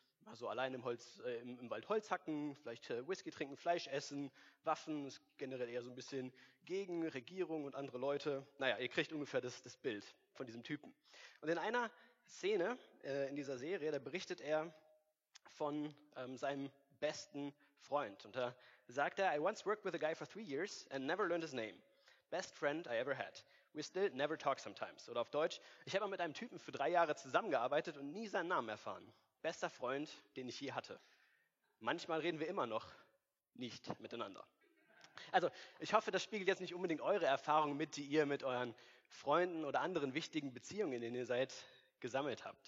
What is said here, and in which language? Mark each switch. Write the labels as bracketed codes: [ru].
[de] Also allein im Wald Holz hacken, vielleicht Whisky trinken, Fleisch essen, Waffen, ist generell eher so ein bisschen gegen Regierung und andere Leute. Naja, ihr kriegt ungefähr das Bild von diesem Typen. Und in einer Szene in dieser Serie, da berichtet er von seinem besten Freund. Und da sagt er, [en] I once worked with a guy for 3 years and never learned his name. Best friend I ever had. We still never talk sometimes. [de] Oder auf Deutsch, ich habe mal mit einem Typen für 3 Jahre zusammengearbeitet und nie seinen Namen erfahren. Bester Freund, den ich je hatte. Manchmal reden wir immer noch nicht miteinander. Also, ich hoffe, das spiegelt jetzt nicht unbedingt eure Erfahrungen mit, die ihr mit euren Freunden oder anderen wichtigen Beziehungen, in denen ihr seid, gesammelt habt.